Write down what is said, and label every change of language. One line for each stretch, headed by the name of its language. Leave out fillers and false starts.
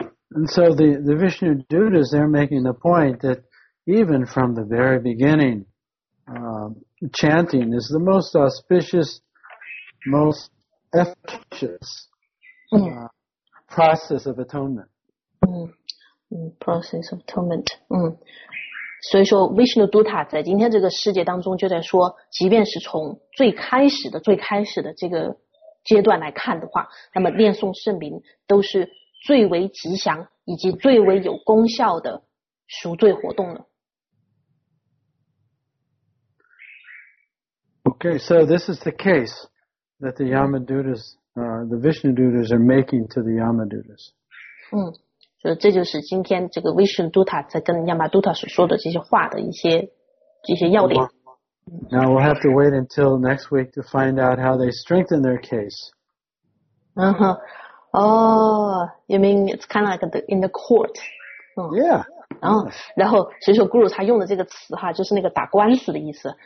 English: And so the Vishnu Dutas, they're making the point that even from the very beginning, chanting is the most auspicious, most efficacious process of atonement. Process of atonement.
Chinese: 所以说 Vishnu Dutta 在今天这个世界当中就在说，即便是从最开始的这个阶段来看的话，那么念诵圣名都是最为吉祥以及最为有功效的赎罪活动了。
English: Okay, so this is the case that the Yama Dutas, the Vishnu Dutas are making to the Yama Dutas.
Chinese: 所以这就是今天这个 Vishnu Dutta 在跟 Yama Dutta 所说的这些话的一些要点。
English: Now we'll have to wait until next week to find out how they strengthen their case. You mean it's kind of like in the court. Yeah.
Chinese: 然后所以说 Guru 他用的这个词哈，就是那个打官司的意思。